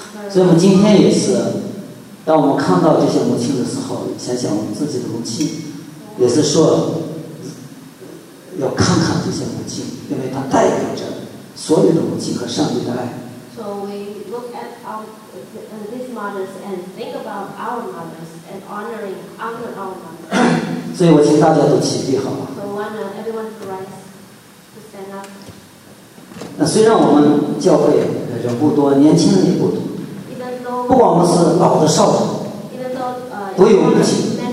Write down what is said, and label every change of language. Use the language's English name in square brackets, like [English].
[Chinese] 所以我们今天也是，当我们看到这些母亲的时候，想想我们自己的母亲，也是说要看看这些母亲，因为它代表着所有的母亲和上帝的爱。 [English] So we look at these mothers and think about our mothers and honor our mothers. [Chinese] 所以我请大家都起立，好吗 [English] ？So everyone rise to stand up. [Chinese] 那虽然我们教会人不多，年轻人也不多，不管我们是老的少的，都有母亲。